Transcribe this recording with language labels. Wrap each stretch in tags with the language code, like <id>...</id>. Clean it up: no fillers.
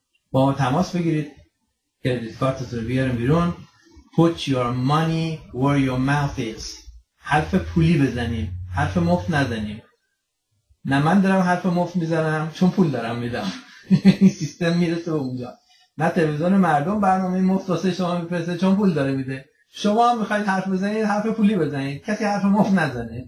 <fa>با ما تماس بگیرید، کردیت کارتتون رو بیارم بیرون.</fa> <en>Put your money where your mouth is.</en> <fa>حرف پولی بزنیم، حرف مفت نزنیم. نه من دارم حرف مفت میزنم چون پول دارم میدم. این سیستم میرسه اونجا. نه تلویزیون مردم برنامه مفت واسه شما میفرسته چون پول داره میده. شما هم میخواید حرف بزنید، حرف پولی بزنید. کسی حرف مفت نزنه.</fa>